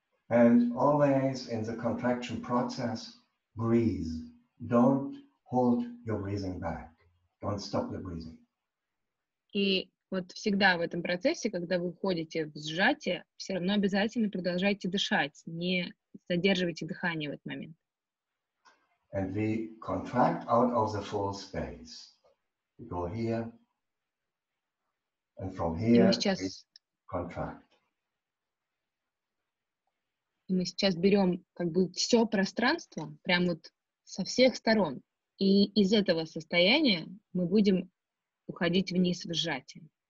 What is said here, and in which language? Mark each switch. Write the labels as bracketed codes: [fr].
[en] And always in the contraction process, breathe. Don't hold your breathing back. Don't stop your breathing. [ru] И вот всегда в этом процессе, когда вы уходите в сжатие, все равно обязательно продолжайте дышать, не задерживайте дыхание в этот момент. [en] And we contract out of the full space. We go here, and from here we contract. [ru] И мы сейчас берем как бы все пространство, прям вот со всех сторон. И из этого состояния мы будем уходить вниз в сжатие.